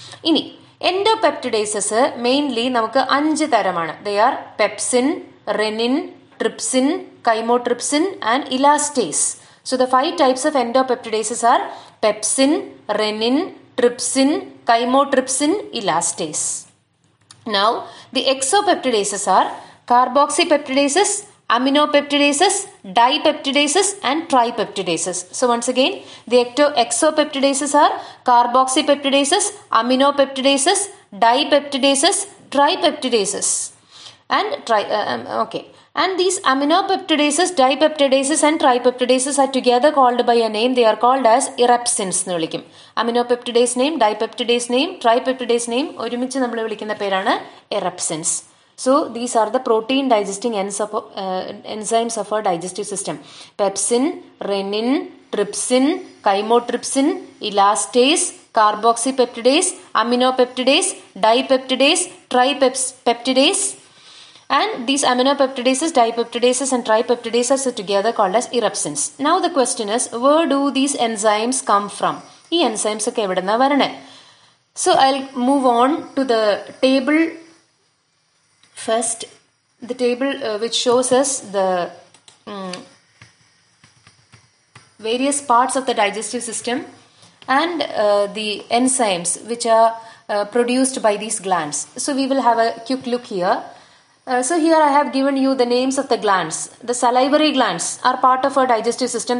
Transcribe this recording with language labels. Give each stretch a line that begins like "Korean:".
Malayalam: ഇനി എൻഡോപെപ്റ്റിഡേസസ് മെയിൻലി നമുക്ക് അഞ്ച് തരമാണ്.
English: They are pepsin, renin, trypsin, chymotrypsin and elastase. So the five types of endopeptidases are pepsin, renin, trypsin, chymotrypsin, elastase. Now, the exopeptidases are carboxypeptidases, aminopeptidases, dipeptidases and tripeptidases. So once again, the exopeptidases are carboxypeptidases, aminopeptidases, dipeptidases, tripeptidases and And these aminopeptidases, dipeptidases and tripeptidases are together called by a name. They are called as erepsins. Aminopeptidase name, dipeptidase name, tripeptidase name.
Malayalam: ഒരുമിച്ച് നമ്മൾ വിളിക്കുന്ന പേരാണ് erepsins.
English: So these are the protein digesting enzymes of our digestive system. Pepsin, renin, trypsin, chymotrypsin, elastase, carboxypeptidase, aminopeptidase, dipeptidase, tripeptidase. And these aminopeptidases, dipeptidases and tripeptidases are together called as erepsins. Now the question is, where do these enzymes come from?
Malayalam: ഈ enzymes ഒക്കെ എവിടെ നിന്നാണ് വരണേ?
English: So I move on to the table. First the table which shows us the various parts of the digestive system and the enzymes which are produced by these glands. So we will have a quick look here. So here I have given you the names of the glands. The salivary glands are part of our digestive system.